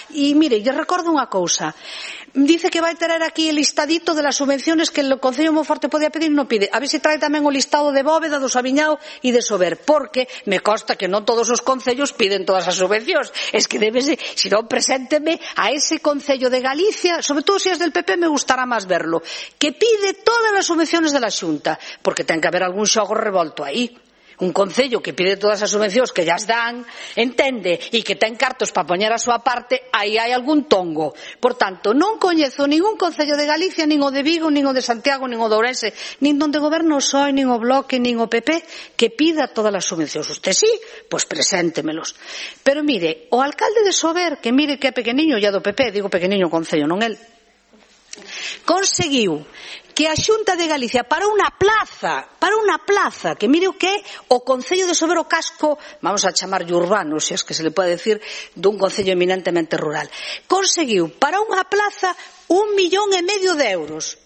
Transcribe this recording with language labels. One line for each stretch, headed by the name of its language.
Spanish: Y mire, yo recuerdo una cosa. Dice que va a traer aquí el listadito de las subvenciones que el Concello de Monforte podía pedir y no pide. A ver si trae también un listado de Bóveda, de Sabiñao y de Sober, porque me consta que no todos los concellos piden todas las subvenciones. Es que debe ser, si no, presénteme a ese concello de Galicia, sobre todo si es del PP, me gustará
Galician: máis verlo, que pide todas as subvenciones da Xunta, porque ten que haber algún xogo revolto aí. Un concello que pide todas as subvencións que xa dan, entende, e que ten cartos para poñer a súa parte, aí hai algún tongo. Por tanto, non coñezo ningún concello de Galicia, nin o de Vigo, nin o de Santiago, nin o de Ourense, nin donde goberno soy, nin o Bloque, nin o PP, que pida todas as subvencións.
Spanish: Usted sí, pues preséntemelos.
Galician: Pero mire, o alcalde de Sober, que mire que é pequeniño, ya do PP, digo pequeniño concello, non él, conseguiu que a Xunta de Galicia para unha plaza, que mire o que é o concello de Sober, o casco, vamos a chamarlle urbano,
Spanish: se es que se le
Galician: pode decir, dun concello eminentemente rural, conseguiu para unha plaza 1,5 millóns de euros.